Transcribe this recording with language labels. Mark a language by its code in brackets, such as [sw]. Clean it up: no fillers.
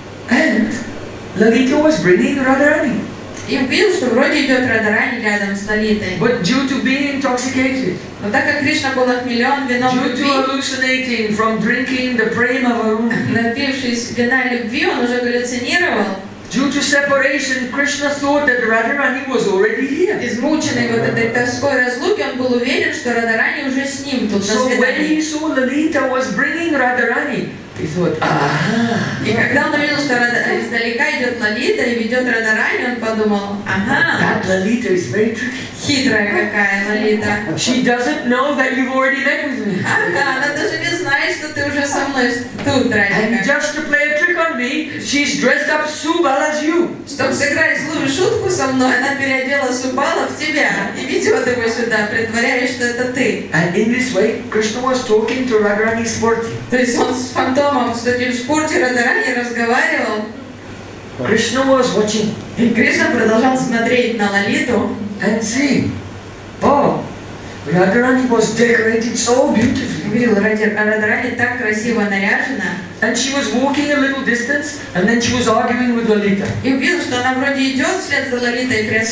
[en] And Lalita was bringing Radharani. [ru] И увидел, что вроде идет Радарани рядом с Лалитой. [en] But due to being intoxicated. [ru] Но так как Кришна был охмелен вином любви. [en] Due to hallucinating from drinking the prema varuni. [ru] Напившись вина любви, он уже галлюцинировал. [en] Due to separation, Krishna thought that Radharani was already here. [ru] Измученный вот этой тоской разлуки, он был уверен, что Радарани уже с ним тут. [en] So when he saw Lalita was bringing Radharani, he thought, [ru] И когда он увидел, что издалека идет Лалита и ведет Радарани, он подумал, [en] That Lalita is very tricky. [ru] Хитрая какая Лалита. [en] She doesn't know that you've already met with me. [ru] Она даже не знает, что ты уже со мной тут, Радика. [en] And just to play a trick on me, she's dressed up Subala as you. [ru] Чтобы сыграть злую шутку со мной, она переодела Субала в тебя и ведет его сюда, притворяясь, что это ты. [en] And in this way, Krishna was talking to Radharani Smurti. [ru] То есть он с фантомом, с этим Смурти Радарани разговаривал. [en] Krishna was watching. [ru] И Кришна продолжал смотреть на Лалиту. [en] And see, Radharani was decorated so beautifully. [ru] Радарани так красиво наряжена. [en] And she was walking a little distance, and then she was arguing with Lalita. [ru] И увидел, что она вроде идет вслед за Лалитой